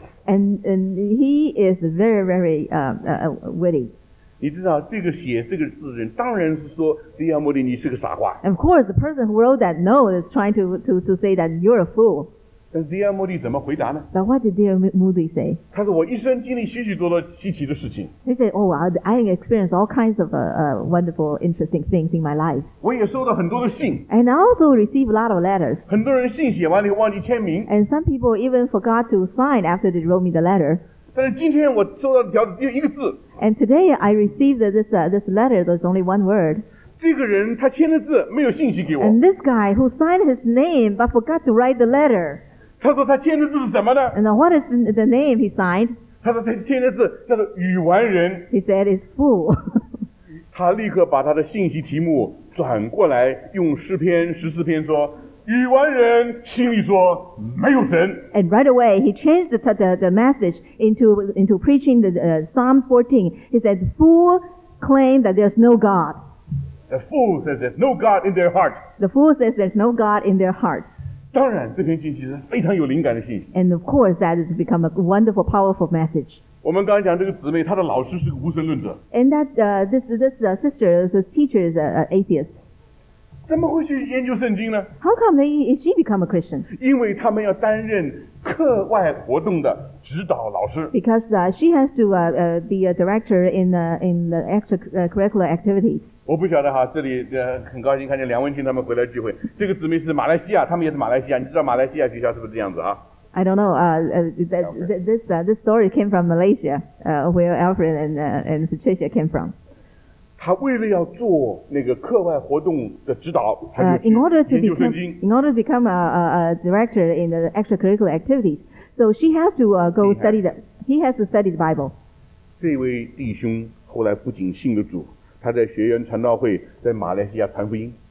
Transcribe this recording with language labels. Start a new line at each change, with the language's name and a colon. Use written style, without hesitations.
English: And he is very, very witty.
Chinese: 你知道这个写这个字的人，当然是说第二目的你是个傻瓜。
English: And of course, the person who wrote that note is trying to say that you're a fool.
Chinese: 但是 D.L. Moody 怎么回答呢？
English: But what did D.L. Moody say?
Chinese: 他说我一生经历许许多多稀奇的事情。
English: He said, oh, I experienced all kinds of wonderful, interesting things in my life.
Chinese: 我也收到很多的信。
English: And I also received a lot of letters.
Chinese: 很多人信写完了以后忘记签名。
English: And some people even forgot to sign after they wrote me the letter.
Chinese: 但是今天我收到的条子只有一个字。
English: And today I received this letter that's only one word.
Chinese: 这个人他签了字没有信息给我。
English: And this guy who signed his name but forgot to write the letter.
Chinese: 他说他签的字是什么呢？
English: And what is the name he signed?
Chinese: 他说他签的字叫做愚顽人。
English: He said it's fool.
Chinese: 他立刻把他的信息题目转过来，用诗篇十四篇说，愚顽人心里说没有神。
English: And right away he changed the message into preaching the Psalm 14. He said fool claim that there's no God. The fool says there's no God in their heart. The fool says there's no God in their heart.
Chinese: 当然，这篇信息是非常有灵感的信息。
English: And of course, that has become a wonderful, powerful message.
Chinese: 我们刚刚讲这个姊妹，她的老师是个无神论者。
English: And that this sister, this teacher is an atheist.
Chinese: 怎么会去研究圣经呢？
English: How come she become a Christian?
Chinese: 因为他们要担任课外活动的指导老师。
English: Because she has to be a director in the extracurricular activities.
Chinese: 我不晓得哈，这里很高兴看见梁文清他们回来聚会。这个姊妹是马来西亚，他们也是马来西亚。你知道马来西亚学校是不是这样子啊
English: ？I don't know. This story came from Malaysia, where Alfred and Patricia came from.
Chinese: 他为了要做那个课外活动的指导，
English: in order to become a director in the extracurricular activities, so she has to go study he has to study the Bible.
Chinese: 这位弟兄后来不仅信了主。他在学员传道会在马来西亚传福音。